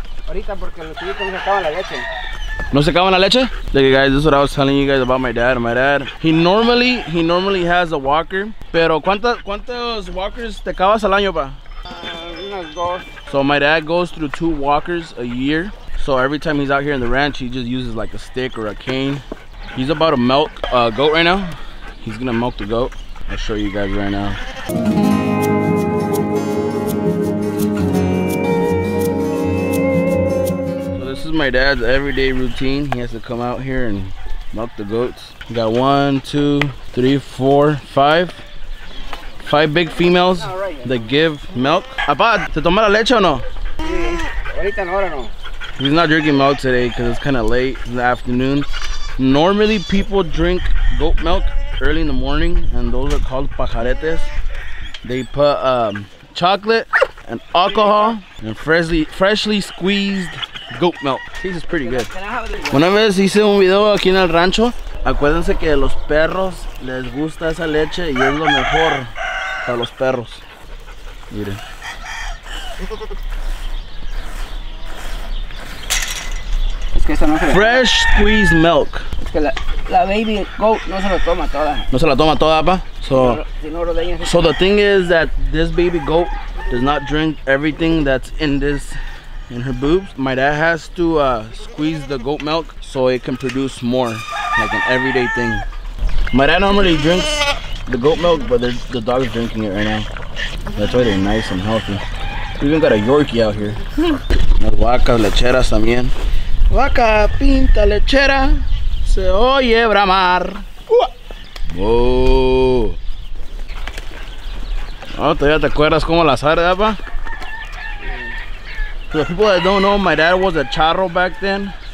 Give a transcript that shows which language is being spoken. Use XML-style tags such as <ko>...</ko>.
<es>Ahorita porque los chivitos no se acaban la leche. ¿No se acaban la leche?</es> <en>Like guys, this is what I was telling you guys about my dad. My dad, he normally has a walker.</en> <es>Pero ¿cuántos walkers te acabas al año, pa? Unas dos.</es> <en>So my dad goes through 2 walkers a year. So every time he's out here in the ranch, he just uses like a stick or a cane. He's about to milk a goat right now. He's gonna milk the goat. I'll show you guys right now. So this is my dad's everyday routine. He has to come out here and milk the goats. We got 1, 2, 3, 4, 5. 5 big females that give milk.</en> <es>Apa, te toma la leche o no? Ahorita no, ahora no.</es> <en>He's not drinking milk today because it's kind of late in the afternoon. Normally people drink goat milk early in the morning, and those are called pajaretes. They put chocolate and alcohol and freshly squeezed goat milk. Tastes pretty good.</en> <es>Una vez hice un video aquí en el rancho. Acuérdense que los perros les gusta esa leche y es lo mejor para los perros. Miren.</es> <en>Fresh squeezed milk.</en> <es>Es que la</es> <en>baby goat</en> <es>no se la toma toda. No se la toma toda, pa.</es> <en>So the thing is that this baby goat does not drink everything that's in her boobs. My dad has to squeeze the goat milk so it can produce more, like an everyday thing. My dad normally drinks the goat milk, but the dog is drinking it right now. That's why they're nice and healthy. We even got a Yorkie out here.</en> <es>Las vacas lecheras también. Vaca pinta lechera, se oye bramar. Whoa. Oh, todavía te acuerdas cómo la sabe, pa?</es> <en>For the people that don't know, my dad was a charro back then.</en>